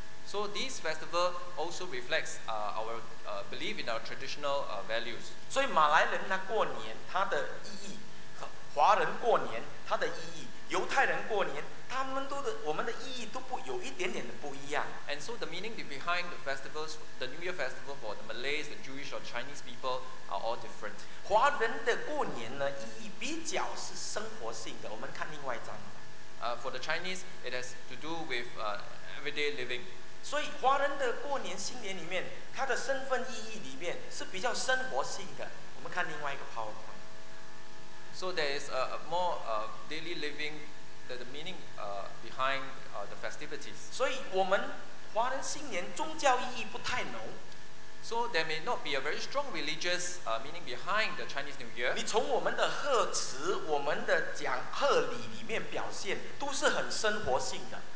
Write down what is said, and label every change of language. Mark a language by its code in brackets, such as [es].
[en] So this festival also reflects our belief in our traditional values. [zh] 所以马来人他过年他的意义，华人过年他的意义，犹太人过年他们都的我们的意义都不有一点点的不一样。 [en] And so the meaning behind the festivals, the New Year festival for the Malays, the Jewish or Chinese people are all different. [zh] 华人的过年呢，意义比较是生活性的。我们看另外一张。 [en] For the Chinese, it has to do with everyday living. [zh] 所以华人的过年新年里面，他的身份意义里面是比较生活性的。我们看另外一个 PowerPoint. [en] So there is a more daily living. The meaning behind the festivities. [zh] 所以我们华人新年宗教意义不太浓。 [en] So there may not be a very strong religious meaning behind the Chinese New Year. [zh] 你从我们的贺词、我们的讲贺礼里面表现，都是很生活性的。